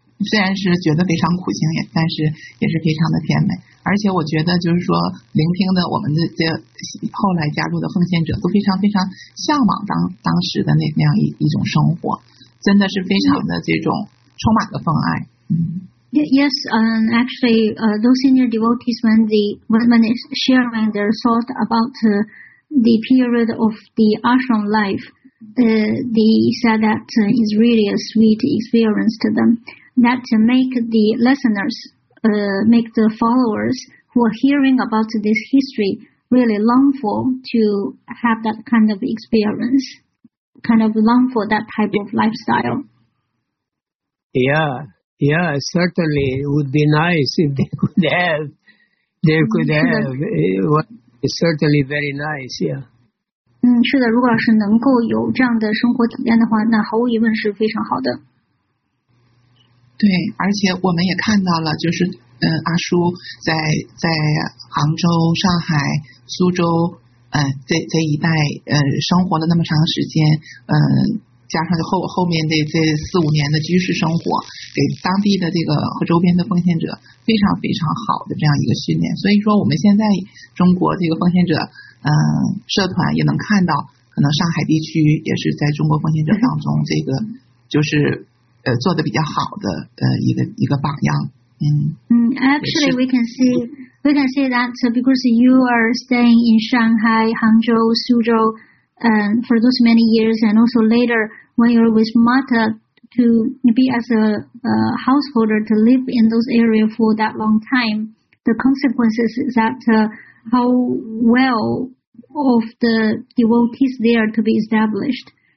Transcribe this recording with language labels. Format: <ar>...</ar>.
<zh>虽然是觉得非常苦行，但是也是非常的甜美。而且我觉得就是说，聆听的我们的这后来加入的奉献者都非常非常向往当时的那样一种生活，真的是非常的这种充满了奉爱。</zh> <en>Yes, actually, those senior devotees when they share their thought about the period of the ashram life, they said that it's really a sweet experience to them. That to make the listeners, make the followers who are hearing about this history really long for to have that kind of experience, kind of long for that type of lifestyle. Yeah, certainly it would be nice if they could have. They could have. It was certainly very nice, yeah.</en> <zh>是的，如果是能够有这样的生活体验的话，那毫无疑问是非常好的。对，而且我们也看到了，就是阿叔在杭州、上海、苏州，这一带生活了那么长时间，加上后面这四五年的居士生活，给当地的这个和周边的奉献者非常非常好的这样一个训练。所以说，我们现在中国这个奉献者社团也能看到，可能上海地区也是在中国奉献者当中这个就是。做得比较好的一个榜样。</zh> <en>Actually we can see that because you are staying in Shanghai, Hangzhou, Suzhou for those many years, and also later when you're with Mata to be as a householder to live in those areas for that long time, the consequences is that how well of the devotees there to be established.</en>